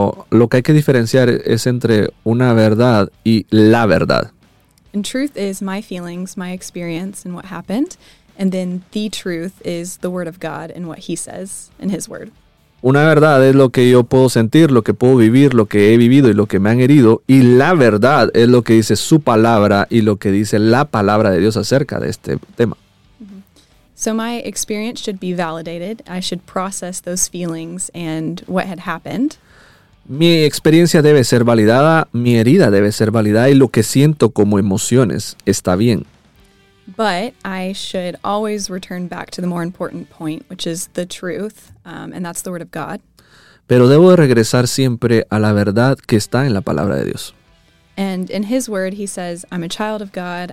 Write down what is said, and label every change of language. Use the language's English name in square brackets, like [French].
[Spanish] Lo que hay que diferenciar es entre una verdad y la verdad. [English] And truth is my feelings, my experience, and what happened. And then the truth is the word of God and what he says in his word. [Spanish] Una verdad es lo que yo puedo sentir, lo que puedo vivir, lo que he vivido y lo que me han herido. Y la verdad es lo que dice su palabra y lo que dice la palabra de Dios acerca de este tema. [English] So my experience should be validated. I should process those feelings and what had happened. [Spanish] Mi experiencia debe ser validada. Mi herida debe ser validada. Y lo que siento como emociones está bien. [English] But I should always return back to the more important point, which is the truth. And that's the word of God. [Spanish] Pero debo de regresar siempre a la verdad que está en la palabra de Dios. [English] And in his word, he says, I'm a child of God.